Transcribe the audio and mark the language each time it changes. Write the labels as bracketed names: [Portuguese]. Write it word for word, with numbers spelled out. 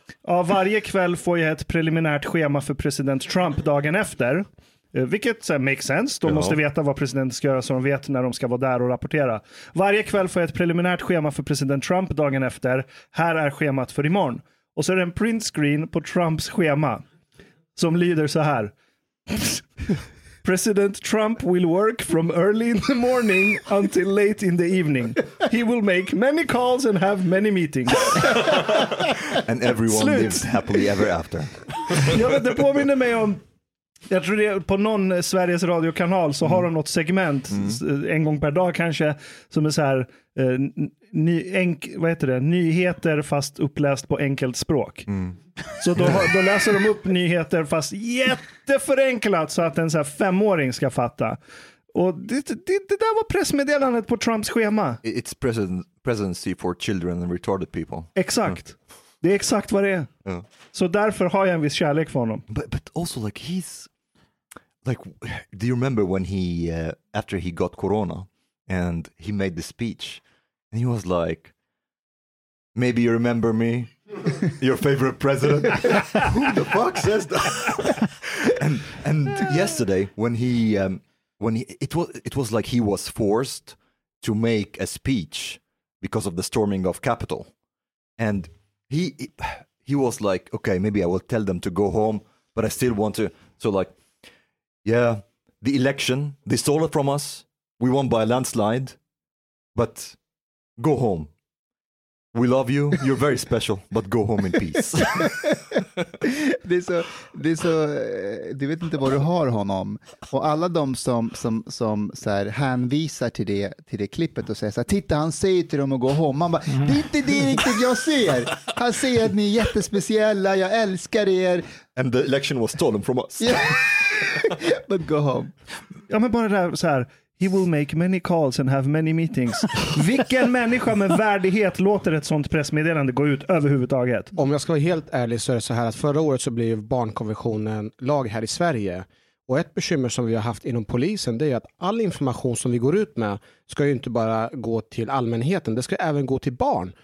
[Swedish] Ja, varje kväll får jag ett preliminärt schema för president Trump dagen efter. Uh, vilket så här, [English] makes sense. [Swedish] De ja. måste veta vad presidenten ska göra så de vet när de ska vara där och rapportera. Varje kväll får jag ett preliminärt schema för president Trump dagen efter. Här är schemat för imorgon. Och så är det en printscreen på Trumps schema. Som lyder så här. [English] President Trump will work from early in the morning until late in the evening. He will make many calls and have many meetings. And everyone Slut. lives happily ever after. [Swedish] Jag vet, det påminner mig om, jag tror det, på någon Sveriges radiokanal så mm. har de något segment mm. en gång per dag kanske som är så här eh, ny, enk, vad heter det? nyheter fast uppläst på enkelt språk. Mm. Så då, då läser de upp nyheter fast jätteförenklat så att en så här femåring ska fatta. Och det, det, det där var pressmeddelandet på Trumps schema. [English] It's presiden- presidency for children and retarded people. [Swedish] Exakt. Mm. Det är exakt vad det är. Yeah. Så därför har jag en viss kärlek för honom. [English] But, but also like he's like, do you remember when he uh, after he got corona and he made the speech and he was like, maybe you remember me, your favorite president. Who the fuck says that? and and yesterday when he um, when he, it was it was like he was forced to make a speech because of the storming of Capitol and. He he was like, okay, maybe I will tell them to go home, but I still want to. So like, yeah, the election, they stole it from us. We won by a landslide, but go home. We love you. You're very special, but go home in peace. [Swedish] det, är så, det är så, du vet inte vad du har honom. Och alla de som, som, som så här hänvisar till det, till det klippet och säger så här, titta han säger till dem att gå home. Man bara, mm. det är inte det riktigt jag ser. Han säger att ni är jättespeciella, jag älskar er. [English] And the election was stolen from us. But go home. [Swedish] Ja men bara det där så här. [English] He will make many calls and have many meetings. [Swedish] Vilken människa med värdighet låter ett sånt pressmeddelande gå ut överhuvudtaget? Om jag ska vara helt ärlig så är det så här att förra året så blev barnkonventionen lag här i Sverige. Och ett bekymmer som vi har haft inom polisen, det är att all information som vi går ut med ska ju inte bara gå till allmänheten, det ska även gå till barn.